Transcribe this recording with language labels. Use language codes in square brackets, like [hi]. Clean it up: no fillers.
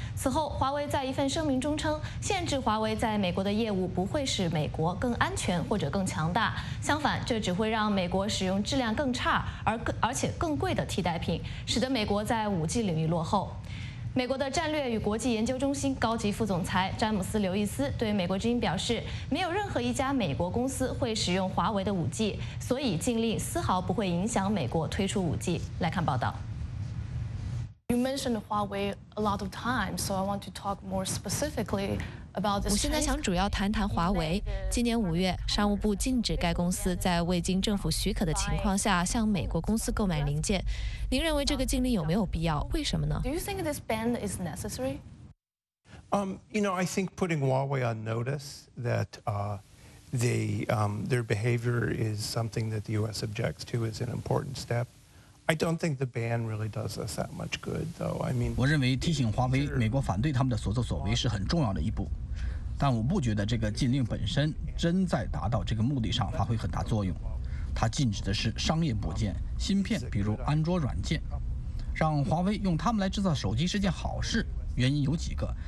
[zh] 此后，华为在一份声明中称，限制华为在美国的业务不会使美国更安全或者更强大，相反，这只会让美国使用质量更差而且更贵的替代品，使得美国在 5G 领域落后。美国的战略与国际研究中心高级副总裁詹姆斯·刘易斯对美国之音表示，没有任何一家美国公司会使用华为的 5G， 所以禁令丝毫不会影响美国推出 5G。来看报道。 [en] You mentioned Huawei a lot of times, so I want to talk more specifically about this. [zh] 我现在想主要谈谈华为。今年五月，商务部禁止该公司在未经政府许可的情况下向美国公司购买零件。您认为这个禁令有没有必要？为什么呢 [en] ？Do you think this ban is necessary? You know, I think putting Huawei on notice that their behavior is something that the U.S. objects to is an important step. I don't think the ban really does us that much good, though. I mean, [zh] 我认为提醒华为美国反对他们的所作所为是很重要的一步，但我不觉得这个禁令本身真在达到这个目的上发挥很大作用。它禁止的是商业部件、芯片，比如安卓软件。让华为用它们来制造手机是件好事，原因有几个。